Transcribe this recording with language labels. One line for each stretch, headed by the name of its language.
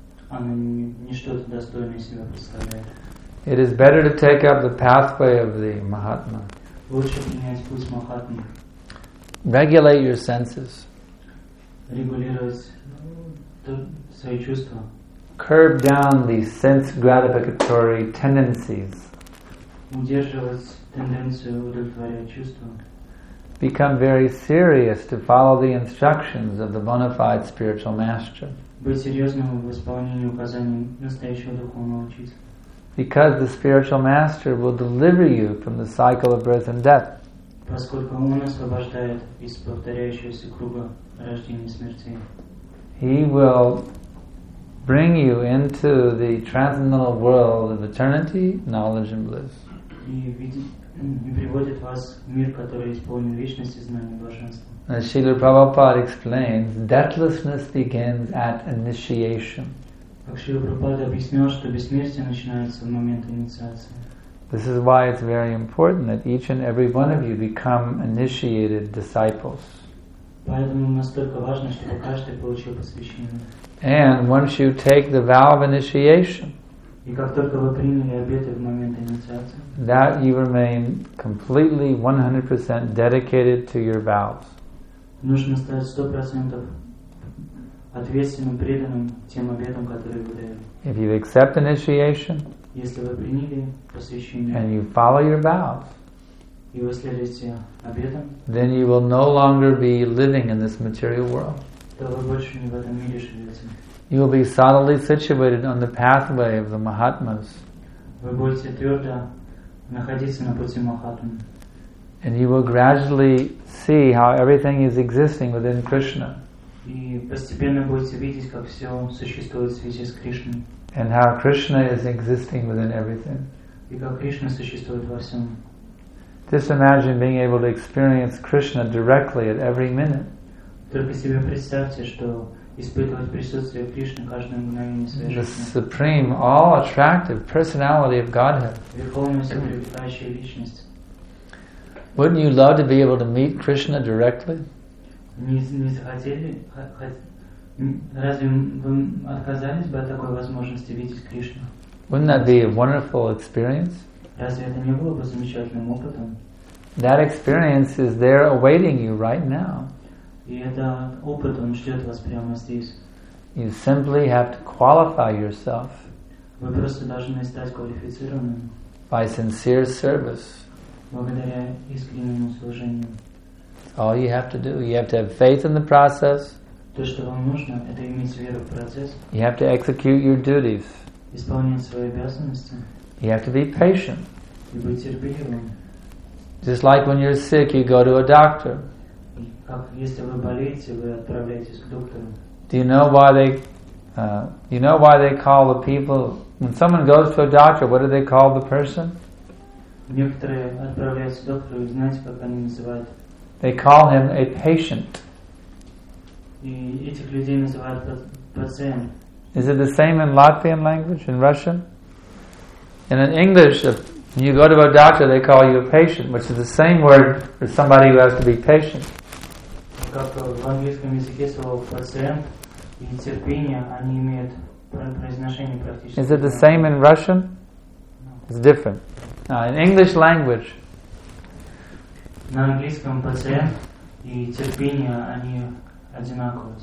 Russian: Она не что-то достойное себя представляет.
English: It is better to take up the pathway of the Mahatma.
Russian: Лучше принять путь Махатмы.
English: Regulate your senses.
Russian: Регулировать свои чувства.
English: Curb down the sense gratificatory tendencies.
Russian: Удерживать тенденцию удовлетворять чувства.
English: Become very serious to follow the instructions of the bona fide spiritual master.
Russian: Быть серьезным в исполнении указаний настоящего духовного учителя.
English: Because the spiritual master will deliver you from the cycle of birth and death.
Russian: Поскольку он освобождает из повторяющегося круга рождения и смерти.
English: He will bring you into the transcendental world of eternity, knowledge and bliss.
Russian: И приводит вас в мир, который исполнен вечности, знания и блаженства.
English: As Srila Prabhupada explains, deathlessness begins at initiation.
Russian: Как Шрила Прабхупада объяснял, что бессмертие начинается в момент инициации.
English: This is why it's very important that each and every one of you become initiated disciples.
Russian: Поэтому настолько важно, чтобы каждый получил посвящение.
English: And once you take the vow of initiation,
Russian: и как только вы приняли обеты в момент инициации,
English: that you remain completely 100% dedicated to your vows.
Russian: Нужно стать 100% ответственным, преданным тем обетам, которые вы даете.
English: If you accept initiation,
Russian: если вы приняли посвящение,
English: and you follow your vows,
Russian: и вы следуете обетам,
English: then you will no longer be living in this material world.
Russian: То вы больше не в этом мире живете.
English: You will be solidly situated on the pathway of the Mahatmas.
Russian: Вы будете твердо находиться на пути Махатмы.
English: And you will gradually see how everything is existing within Krishna.
Russian: И постепенно будете видеть, как все существует в связи с Кришной.
English: And how Krishna is existing within everything.
Russian: И как Кришна существует во всем.
English: Just imagine being able to experience Krishna directly at every minute.
Russian: Только себе представьте, что испытывать присутствие Кришны каждое мгновение своей жизни.
English: The supreme, all-attractive personality of Godhead.
Russian: Верховная всепривлекающая личность.
English: Wouldn't you love to be able to meet Krishna directly?
Russian: Не захотели? Разве вы отказались бы от такой возможности видеть Кришну?
English: Wouldn't that be a wonderful experience?
Russian: Разве это не было бы замечательным опытом?
English: That experience is there awaiting you right now.
Russian: И этот опыт, он ждет вас прямо здесь.
English: You simply have to qualify yourself.
Russian: Вы просто должны стать квалифицированным.
English: By sincere service.
Russian: Благодаря искреннему служению.
English: All you have to do, you have to have faith in the process.
Russian: То, что вам нужно, это иметь веру в процесс.
English: You have to execute your duties.
Russian: Исполнять свои обязанности.
English: You have to be patient.
Russian: И быть терпеливым.
English: Just like when you're sick, you go to a doctor.
Russian: Как если вы болеете, вы отправляетесь к доктору.
English: Do you know why they, call the people when someone goes to a doctor? What do they call the person?
Russian: Некоторые отправляются к доктору, и знаете, как они называют?
English: They call him a patient.
Russian: И этих людей называют пациент.
English: Is it the same in Latvian language, in Russian? And in English, if you go to a doctor, they call you a patient, which is the same word for somebody who has to be patient.
Russian: Как в английском языке слово пациент и терпение, они имеют произношение практически.
English: Is it the same in Russian? No. It's different. In English language.
Russian: На английском пациент и терпение, они одинаковые.